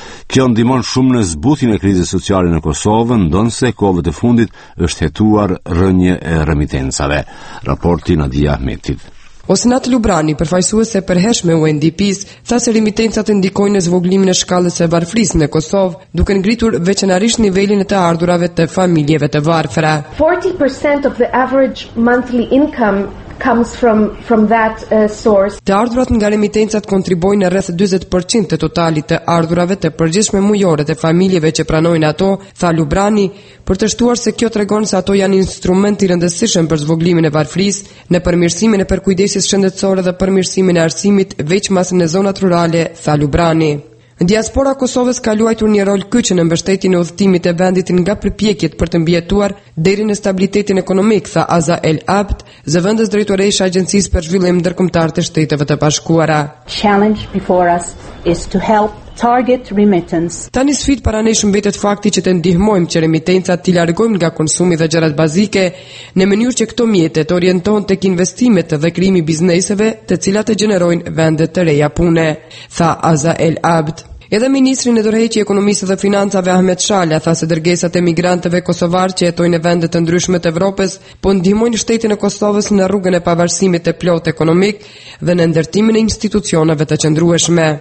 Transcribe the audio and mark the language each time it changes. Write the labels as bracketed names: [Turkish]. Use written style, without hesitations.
[Albanian] Kjo ndihmon shumë në zbutjen e krizës sociale në Kosovë, ndonse kohëve fundit është hetuar rënje e remitencave. Raporti Nadia Ahmetit. Osnat Lubrani, përfaqësuese përhershme UNDP-s, tha se remitencat e ndikojnë në zvoglimin e shkallës së varfërisë në Kosovë, duke ngritur veçanërisht nivelin e të ardhurave të familjeve të varfëra. [English] 40% of the average monthly income comes from that source. [Albanian] Të ardhurat nga remitencat kontribuojnë në rreth 40% të totalit të ardhurave të përgjithshme mujore të familjeve që pranojnë ato, tha Lubrani, për të shtuar se kjo tregon se ato janë instrument i rëndësishëm për zvoglimin e varfërisë, në përmirësimin e përkujdesjes shëndetësore dhe përmirësimin e arsimit veçmasë në zonat rurale, tha Lubrani. Diaspora Kosovës ka luajtur një rol kyç në mbështetjen e udhëtimit të vendit nga përpjekjet për të mbijetuar deri në stabilitetin ekonomik, tha Aza El Abt, zëvendës drejtoreshe e Agjencisë për Zhvillim Ndërkombëtar të Shteteve të Bashkuara. [English] Challenge before us is to help target remittance. [Albanian] Tani sfid para nesh mbetet fakti që të ndihmojmë që remitencat t'i largojmë nga konsumi dhe gjërat bazike në mënyrë që këto mjete të orientohen tek investimet dhe krijimi bizneseve të cilat e gjenerojnë vende të reja pune, tha Aza El Abd. Edhe ministri në dorëheqje ekonomisë dhe financave Ahmet Shala tha se dërgesat e migrantëve kosovar që jetojnë në vende të ndryshme të Evropës po ndihmojnë shtetin e Kosovës në rrugën e pavarësimit të plot ekonomik dhe në ndërtimin e institucioneve të qëndrueshme.